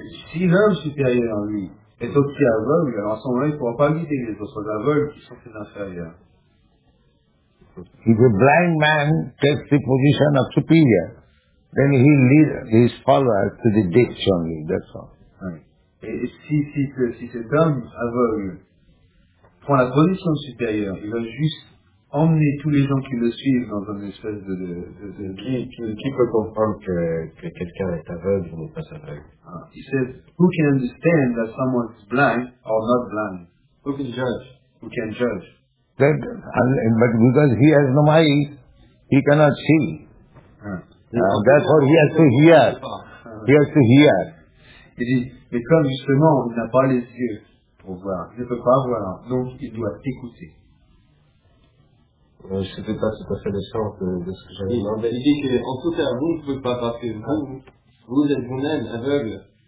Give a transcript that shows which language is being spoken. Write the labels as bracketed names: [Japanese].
[French] Si l'homme supérieur en lui est aussi aveugle, alors à ce moment-là, il ne pourra pas guider les autres aveugles qui sont ses inférieurs. [English] If a blind man takes the position of superior, then he leads his followers to the ditch only, that's all. [French] Et si cet homme aveugle prend la position supérieure, il va juste emmener tous les gens qui le suivent dans une espèce de qui peut comprendre que quelqu'un est aveugle ou n'est pas aveugle. [English] He says, who can understand that someone is blind or not blind? Who can judge? Who can judge? That, but because he has no eyes, he cannot see. Therefore, he has to hear. He has to hear. [French] Il dit, mais comme justement, il n'a pas les yeux pour voir, il ne peut pas voir, donc il doit écouter. Je ne sais pas tout à fait le sens de ce que j'avais demandé. Il dit qu'en tout cas, vous ne pouvez pas, parce que vous êtes vous-même aveugle.